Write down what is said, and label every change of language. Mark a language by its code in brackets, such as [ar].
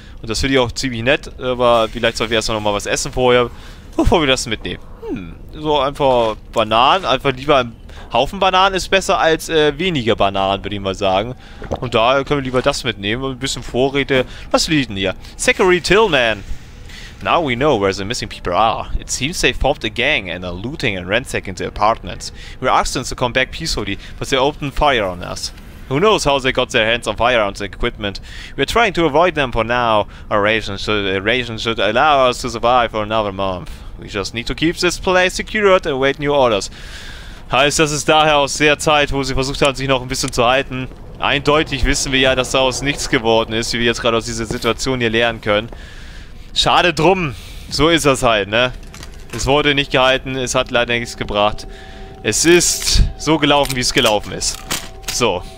[de] Und das finde ich auch ziemlich nett, aber vielleicht sollten wir erstmal nochmal was essen vorher, bevor wir das mitnehmen. So einfach Bananen, einfach lieber ein Haufen Bananen ist besser als weniger Bananen, würde ich mal sagen. Und da können wir lieber das mitnehmen und ein bisschen Vorräte. Was liegt denn hier? Zachary Tillman. [en] Now we know where the missing people are. It seems they formed a gang and are looting and ransacking the apartments. We asked them to come back peacefully, but they opened fire on us. Who knows how they got their hands on firearms and equipment. We're trying to avoid them for now. Our ration should allow us to survive for another month. We just need to keep this place secured and wait new orders. [de] Heißt, das ist daher aus der Zeit, wo sie versucht haben, sich noch ein bisschen zu halten. Eindeutig wissen wir ja, dass daraus nichts geworden ist, wie wir jetzt gerade aus dieser Situation hier lernen können. Schade drum. So ist das halt, ne? Es wurde nicht gehalten, es hat leider nichts gebracht. Es ist so gelaufen, wie es gelaufen ist. So.